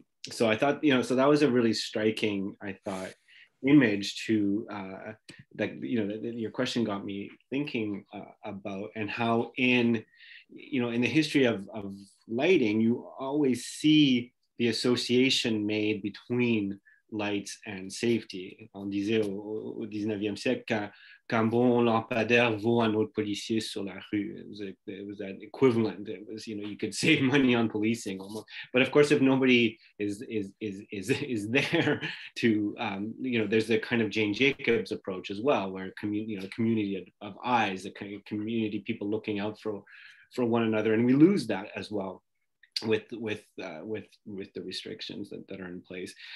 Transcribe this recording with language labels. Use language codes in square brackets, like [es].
[en] So I thought, you know, so that was a really striking, I thought, image to that, you know, that your question got me thinking about, and how in, you know, in the history of lighting, you always see the association made between lights and safety. [fr] On disait au 19e siècle, qu'un bon lampadaire vaut un autre policier sur la rue. [en] It was that equivalent. It was, you know, you could save money on policing almost. But of course, if nobody is there to, you know, there's the kind of Jane Jacobs approach as well, where community of eyes, the kind of community people looking out for one another, and we lose that as well with the restrictions that are in place.